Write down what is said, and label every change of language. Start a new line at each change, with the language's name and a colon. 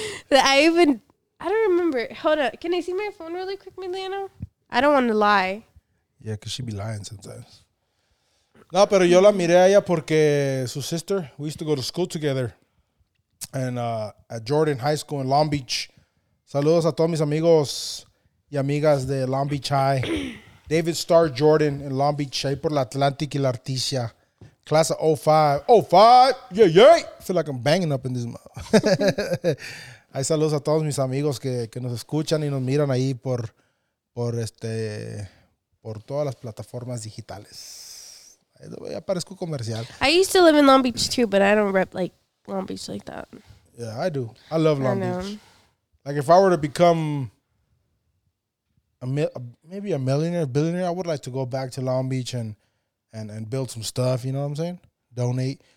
English: I don't remember. Hold up. Can I see my phone really quick, Emiliano? I don't want to lie. Yeah, because she be lying sometimes.
Spanish: No, pero yo la miré a ella porque su
English: sister, we used to go to school together. And at Jordan High School in Long Beach.
Spanish: Saludos a todos mis amigos y amigas de Long Beach High. David Starr Jordan in Long Beach, ahí por la Atlantic y la Articia.
English: Class of 05. 05! Yeah, yeah! I feel like I'm banging up in this mouth.
Spanish: Ay, saludos a todos mis amigos que nos escuchan y nos miran ahí por todas las plataformas digitales. Ya parezco comercial.
English: I used to live in Long Beach too, but I don't rep like Long Beach like that. Yeah, I do. I love Long Beach. Like if I were to become a millionaire, billionaire, I would like to go back to Long Beach and build some stuff. You know what I'm saying? Donate.